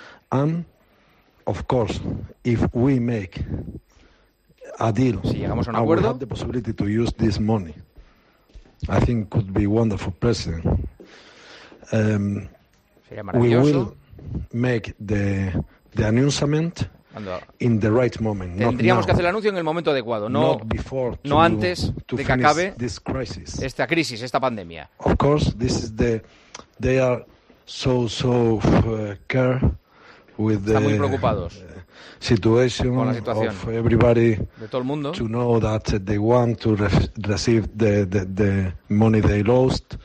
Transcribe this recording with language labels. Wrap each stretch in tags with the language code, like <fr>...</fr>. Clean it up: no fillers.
<en>And of course, if we make a deal,</en> <es>si llegamos a un acuerdo,</es> <en>we have the possibility to use this money. I think could be wonderful, president. We will make the announcement in the right moment.</en> <es>Tendríamos que hacer el anuncio en el momento adecuado, no antes de que acabe esta crisis, esta pandemia.</es> <en>Of course, this is the they are so care with the</en> <es>están muy preocupados.</es> <en>Situation</en> <es>con la situación</es> <en>of everybody</en> <es>de todo el mundo</es> <en>to know that they want to receive the money they lost.</en>